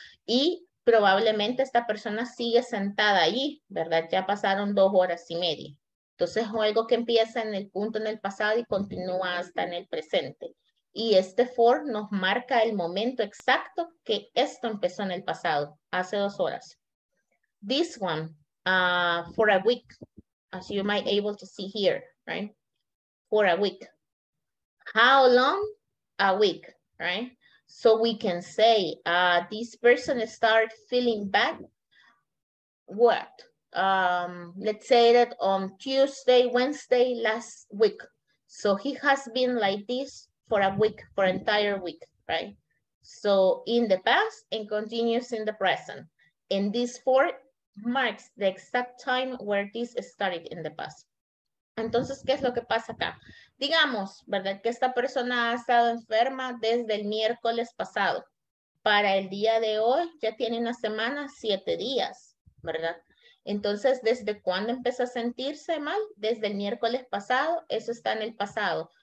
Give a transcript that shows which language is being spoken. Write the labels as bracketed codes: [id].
[es] Y probablemente esta persona sigue sentada ahí, ¿verdad? Ya pasaron 2 horas y media. Entonces, es algo que empieza en el punto en el pasado y continúa hasta en el presente. Y este for nos marca el momento exacto que esto empezó en el pasado, hace 2 horas. [en] This one, for a week, as you might be able to see here, right? For a week. How long? A week, right? So we can say, this person started feeling bad, what? Let's say that on Tuesday, Wednesday, last week. So he has been like this for a week, for an entire week, right? So in the past and continues in the present. And this for marks the exact time where this started in the past. [es] Entonces, ¿qué es lo que pasa acá? Digamos, ¿verdad? Que esta persona ha estado enferma desde el miércoles pasado. Para el día de hoy, ya tiene una semana, 7 días, ¿verdad? Entonces, ¿desde cuándo empezó a sentirse mal? Desde el miércoles pasado, eso está en el pasado.